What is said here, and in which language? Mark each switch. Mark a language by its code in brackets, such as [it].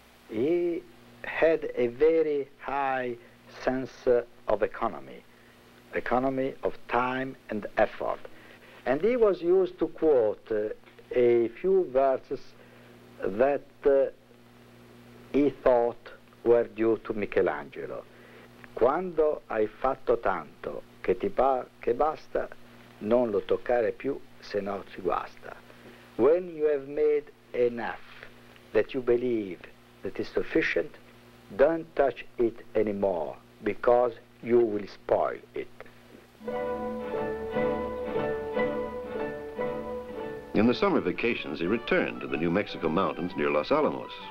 [en] He had a very high sense of economy of time and effort, and he was used to quote a few verses that he thought were due to Michelangelo. [it] Quando hai fatto tanto che ti che basta, non lo toccare più, se no ti guasta. [en] When you have made enough that you believe that is sufficient, don't touch it anymore, because you will spoil it. In the summer vacations, he returned to the New Mexico mountains near Los Alamos.